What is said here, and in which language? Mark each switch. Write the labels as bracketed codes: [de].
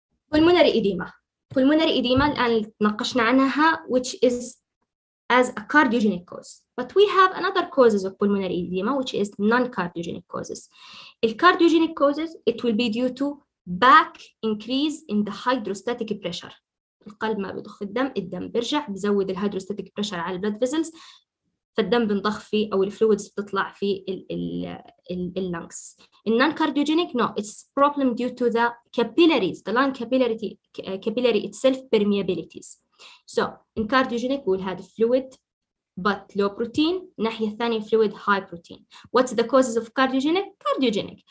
[en] Pulmonary edema. Pulmonary edema, [ar] الآن تناقشنا عنها, [en] which is as a cardiogenic cause. But we have another causes of pulmonary edema, which is non-cardiogenic causes. The cardiogenic causes, it will be due to back increase in the hydrostatic pressure. [ar] القلب ما بيضخ الدم, الدم بيرجع, بزود the hydrostatic pressure على blood vessels, فالدم بنضخ فيه, أو الفلويدز بتطلع في اللنكس. [en] In non-cardiogenic, no, it's problem due to the capillaries, the lung capillary itself permeabilities. So, in cardiogenic, we'll have fluid, but low protein. [ar] ناحية الثانية, [en] fluid, high protein. What's the causes of cardiogenic? Cardiogenic.